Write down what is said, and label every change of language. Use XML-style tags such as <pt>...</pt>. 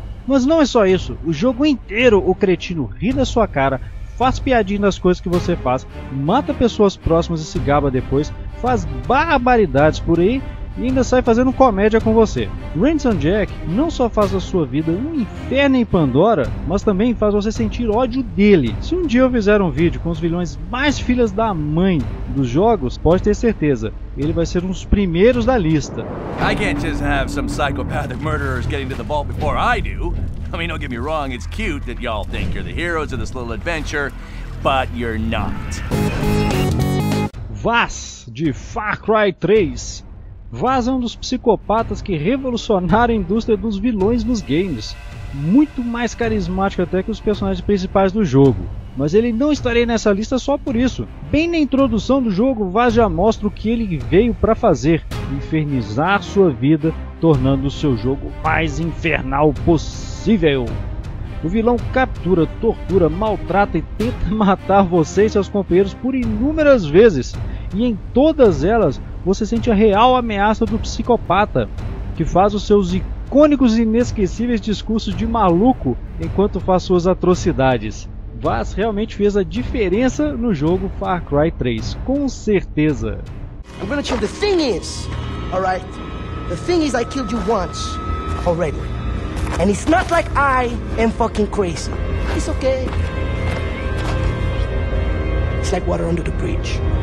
<pt>Mas não é só isso, o jogo inteiro o cretino ri da sua cara, faz piadinha das coisas que você faz, mata pessoas próximas e se gaba depois, faz barbaridades por aí e ainda sai fazendo comédia com você. Ransom Jack não só faz a sua vida um inferno em Pandora, mas também faz você sentir ódio dele. Se um dia eu fizer um vídeo com os vilões mais filhas da mãe dos jogos, pode ter certeza, ele vai ser um dos primeiros da lista.</pt> <en>I can't just have some psychopathic murderers getting to the vault before I do. I mean, don't get me wrong, it's cute that y'all think you're the heroes of this little adventure, but you're not.</en> <pt>Vaas de Far Cry 3. Vaas é um dos psicopatas que revolucionaram a indústria dos vilões nos games, muito mais carismático até que os personagens principais do jogo. Mas ele não estaria nessa lista só por isso. Bem na introdução do jogo, Vaas já mostra o que ele veio para fazer, infernizar sua vida, tornando o seu jogo mais infernal possível. O vilão captura, tortura, maltrata e tenta matar você e seus companheiros por inúmeras vezes, e em todas elas você sente a real ameaça do psicopata, que faz os seus icônicos e inesquecíveis discursos de maluco enquanto faz suas atrocidades. Vaz realmente fez a diferença no jogo Far Cry 3, com certeza.</pt> <en>I'm gonna tell the thing is, all right? The thing is, I killed you once already. And it's not like I am fucking crazy. It's okay. It's like water under the bridge.</en>